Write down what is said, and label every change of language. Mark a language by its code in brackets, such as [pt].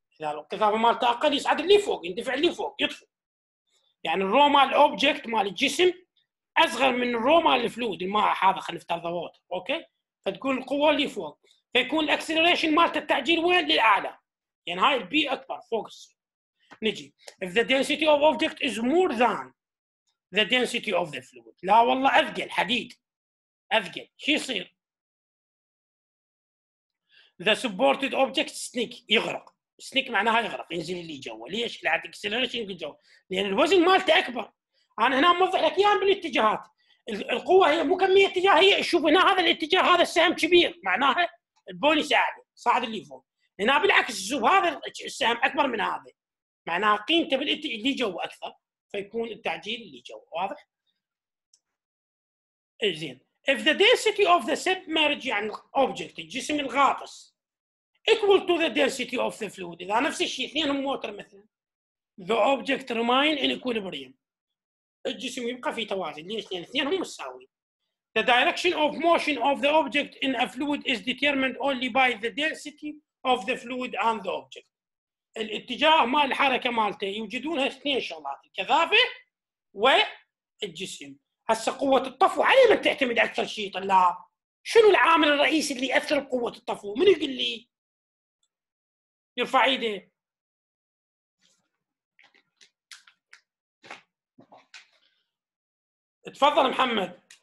[ar] إذا الكثافة مالته أقل يصعد اللي فوق يندفع اللي فوق يطفو. يعني الرو مال object مال الجسم أصغر من الرو مال الفلود الماء هذا خلينا نفترض ووتر، أوكي؟ فتكون القوة اللي فوق فيكون الأكسلريشن مالته التعجيل وين؟ للأعلى. يعني هاي البي أكبر فوق نجي. [en] If the density of object is more than the density of the fluid. [ar] لا والله أثقل حديد. أثقل. شو يصير؟ [en] The supported object sneak [ar] يغرق. Sneak معناها يغرق. ينزل اللي جوا. ليش؟ لا acceleration اللي جوا. لأن الوزن مالته أكبر. أنا هنا موضح لك إياها بالاتجاهات. القوة هي مو كمية اتجاه هي. شوف هنا هذا الاتجاه هذا السهم كبير. معناها البونس أعلى. صعد اللي فوق. هنا بالعكس شوف هذا السهم أكبر من هذا. معناها قيمته بالاتجاه اللي جوا أكثر. فيكون التعجيل اللي جوا واضح؟ زين. [en] If the density of the submerged يعني object [ar] الجسم الغاطس [en] equal to the density of the fluid [ar] إذا نفس الشيء اثنين هم موتر مثلا [en] the object remain in equilibrium [ar] الجسم يبقى في توازن ليش؟ لأن اثنين هم مساويين. [en] The direction of motion of the object in a fluid is determined only by the density of the fluid and the object. [ar] الاتجاه مال الحركه مالته يوجدونها اثنين شغلات الكثافه والجسم هسه قوه الطفو على من تعتمد اكثر شيء طلاب شنو العامل الرئيسي اللي ياثر بقوه الطفو من يقول لي يرفع ايده تفضل محمد